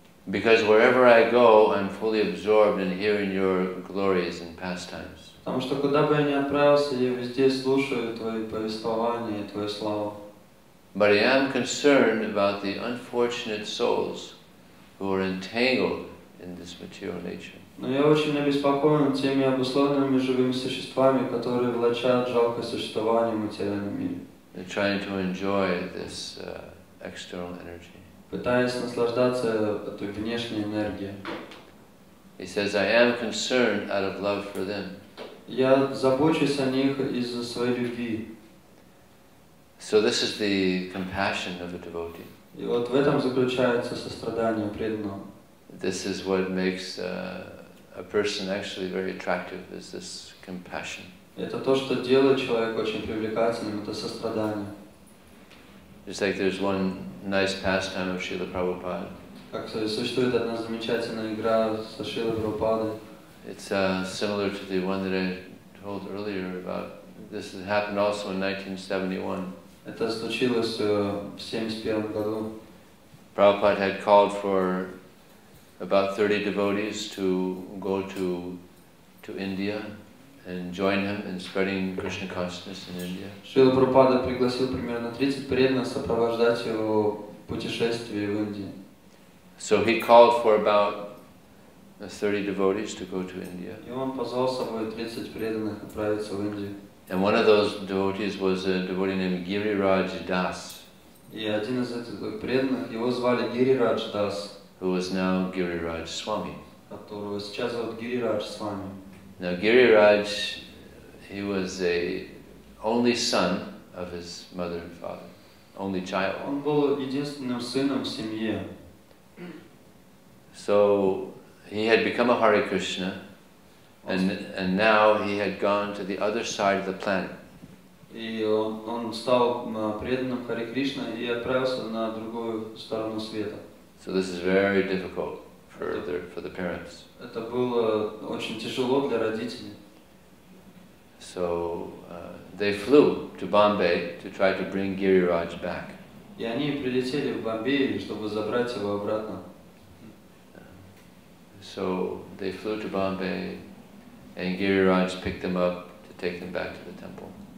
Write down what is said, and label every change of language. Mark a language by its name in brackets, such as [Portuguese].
[English] Because wherever I go, I'm fully absorbed in hearing your glories and pastimes. [Russian] Потому что куда бы я ни отправился, я везде слушаю твои повествования и твою славу. [English] But I am concerned about the unfortunate souls who are entangled in this material nature. [Russian] Но я очень обеспокоен теми обусловленными живыми существами, которые влачат жалкое существование в материальном мире. [English] They're trying to enjoy this external energy. [Russian] пытаясь наслаждаться этой внешней энергией. [English] He says, I am concerned out of love for them. [Russian] Я забочусь о них из-за своей любви. [English] So this is the compassion of a devotee. [Russian] И вот в этом заключается сострадание преданного. [English] This is what makes a person actually very attractive, is this compassion. [Russian] Это то, что делает человека очень привлекательным, это сострадание. [English] It's like there's one nice pastime of Srila Prabhupada. It's similar to the one that I told earlier about. This has happened also in 1971. Prabhupada had called for about 30 devotees to go to India and join him in spreading Krishna consciousness in India. [Russian] Srila Prabhupada пригласил примерно 30 преданных сопровождать его путешествие в Индии. [English] So he called for about 30 devotees to go to India. [Russian] И он позвал с собой 30 преданных отправиться в Индию. [English] And one of those devotees was a devotee named Giriraj Das. [Russian] И один из этих преданных, его звали Giriraj Das, [English] who is now Giriraj Swami. [Russian] Которого сейчас зовут Giriraj Swami. [English] Now Giriraj, he was a only son of his mother and father, only child. [Russian] Он был единственным сыном в семье. [English] So he had become a Hare Krishna, and now he had gone to the other side of the planet. [Russian] И он стал преданным Харе Кришна и отправился на другую сторону света. [English] So this is very difficult for the parents. [Russian] Это было очень тяжело для родителей. [English] So they flew to Bombay to try to bring Giriraj back. [Russian] И они прилетели в Бомбей, чтобы забрать его обратно. [English] So they flew to Bombay, and Giriraj picked them up to take them back to the temple.